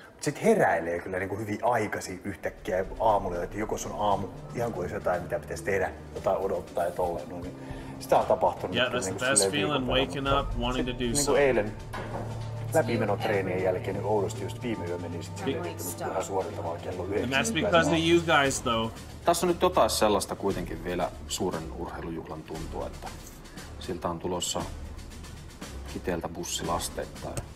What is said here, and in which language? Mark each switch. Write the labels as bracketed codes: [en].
[fi] Sitten heräilee kyllä niin kuin hyvin aikaisin yhtäkkiä aamulla, että joko sun aamu ihan kuin olisi jotain, mitä pitäisi tehdä, jotain odottaa ja tolleen. No, niin sitä on tapahtunut. [en] Yeah, that's the best feeling, waking up, wanting to do something. [fi] Niin eilen läpimenotreenien jälkeen niin oudosti just viime yö meni sitten silleen ihan suorittamaan kello 9. [en] That's because of you guys, though. [fi] Tässä on nyt jotain sellaista kuitenkin vielä suuren urheilujuhlan tuntua, että siltä on tulossa Kiteeltä bussilastetta.